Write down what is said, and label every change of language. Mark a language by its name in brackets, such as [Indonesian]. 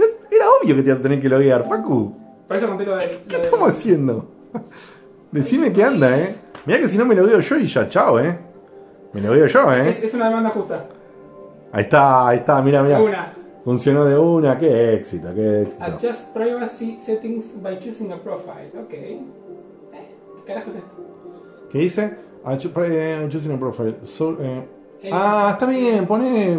[Spanish] Era obvio que te ibas a tener que loguear, Facu. Por eso conté lo de... ¿Qué estamos haciendo? Decime qué anda, Mirá que si no me logueo yo y ya, chao, Me logueo yo, Es una demanda justa. Ahí está, mirá. Una. Funcionó de una, qué éxito. [English] Adjust privacy settings by choosing a profile, ok. [Spanish] ¿Qué carajo es esto? ¿Qué dice? [English] Choosing a profile, [Spanish] está bien, poné.